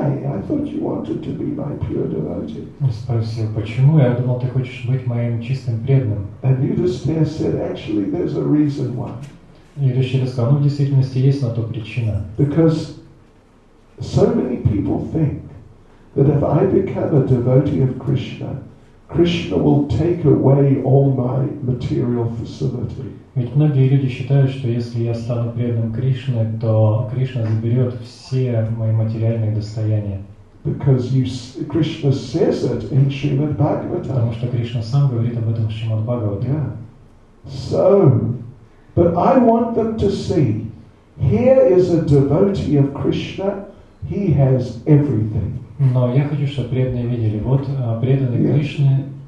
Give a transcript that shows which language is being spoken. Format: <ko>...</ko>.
<en>I thought you wanted to be my pure devotee.</en> <ru>Он спросил: почему? Я думал, ты хочешь быть моим чистым преданным.</ru> <en>And Yudhisthira said, actually, there's a reason why.</en> <ru>Yudhisthira сказал: ну, в действительности есть на то причина.</ru> <en>Because so many people think that if I become a devotee of Krishna, Krishna will take away all my material facility.</en> <ru>Ведь многие люди считают, что если я стану преданным Кришне, то Кришна заберет все мои материальные достояния.</ru> <en>Because you, Krishna says it in Srimad Bhagavatam.</en> <ru>Потому что Кришна сам говорит об этом в Шримад Бхагаватам.</ru> <en>Yeah. So, but I want them to see, here is a devotee of Krishna, he has everything.</en> <ru>Но я хочу, чтобы преданные видели, вот преданный yeah. Кришне.</ru>